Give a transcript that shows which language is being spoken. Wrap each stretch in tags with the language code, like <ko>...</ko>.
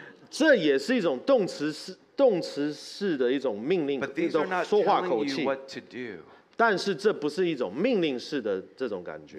<zh>这也是一种动词式的一种命令,</zh> <en>but these are not telling you what to do.</en> <zh>但是这不是一种命令式的这种感觉。</zh>